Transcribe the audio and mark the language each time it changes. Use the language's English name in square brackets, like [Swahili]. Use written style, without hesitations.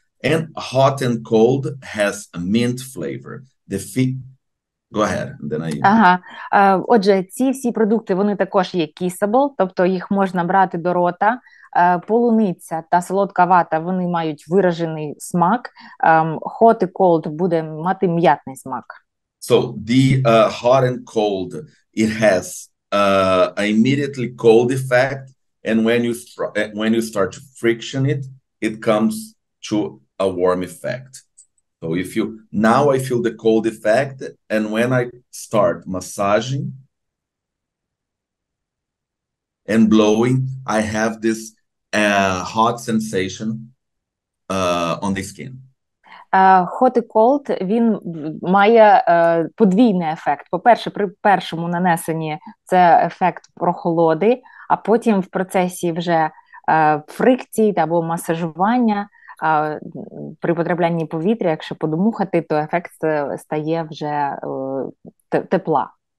[English] And hot and cold has a mint flavor. Go ahead. Then I... Ага. [Ukrainian] Отже, ці всі продукти, вони також є kissable, тобто їх можна брати до рота. Полуниця та солодка вата, вони мають виражений смак. Hot і cold буде мати м'ятний смак. [English] So the hot and cold, it has an immediately cold effect, and when you start to friction it, it comes to a warm effect. So now I feel the cold effect, and when I start massaging and blowing, I have this hot sensation on the skin. [Ukrainian] Hot і cold, він має подвійний ефект. По-перше, при першому нанесенні це ефект прохолоди, а потім в процесі вже фрикції або масажування, при потраплянні повітря, якщо подмухати, то ефект стає вже тепла.